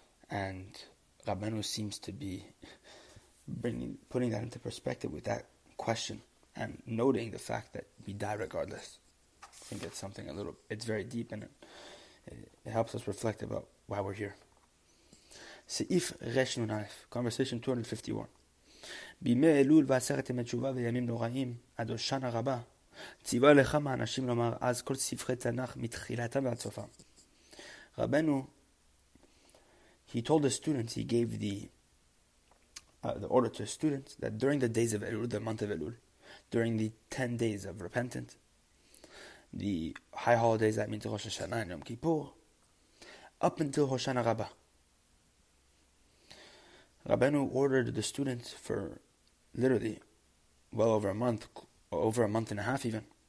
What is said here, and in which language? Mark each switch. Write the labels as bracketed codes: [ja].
[en] And Rabbeinu seems to be putting that into perspective with that question and noting the fact that we die regardless. I think it's something it's very deep, and it helps us reflect about why we're here. Se'if Reshnun Aleph, conversation 251. [he] בימי אלול ועשרת ימי תשובה וימים נוראים עד הושנה רבה ציווה לכמה אנשים לומר אז כל ספרי תנ"ך מתחילתם ועד סופם. [en] רבנו, he told the students, he gave the order to the students that during the days of Elul, the month of Elul, during the 10 days of repentance, the high holidays, that means Rosh Hashanah and Yom Kippur, up until Hoshana Raba, Rabbeinu ordered the students for literally well over a month, over a month and a half even.